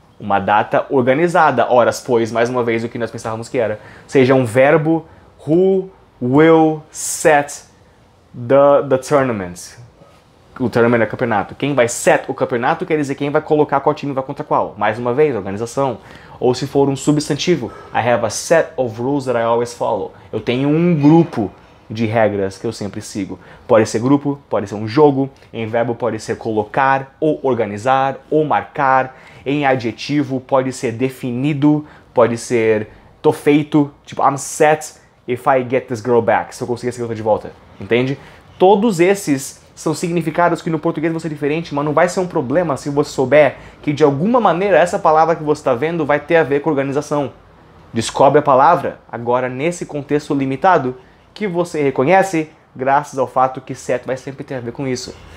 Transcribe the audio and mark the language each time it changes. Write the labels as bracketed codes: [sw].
[pt] Uma data organizada. Horas, pois, mais uma vez, o que nós pensávamos que era. Seja um verbo, [en] who will set the tournament. [pt] O tournament é campeonato. Quem vai set o campeonato quer dizer quem vai colocar qual time vai contra qual. Mais uma vez, organização. Ou se for um substantivo, [en] I have a set of rules that I always follow. [pt] Eu tenho um grupo de regras que eu sempre sigo. Pode ser grupo, pode ser um jogo. Em verbo pode ser colocar, ou organizar, ou marcar. Em adjetivo pode ser definido, pode ser tô feito. [en] Tipo, I'm set if I get this girl back. [pt] Se eu conseguir essa garota de volta. Entende? Todos esses são significados que no português vão ser diferentes, mas não vai ser um problema se você souber que de alguma maneira essa palavra que você está vendo vai ter a ver com organização. Descobre a palavra agora nesse contexto limitado que você reconhece graças ao fato que set vai sempre ter a ver com isso.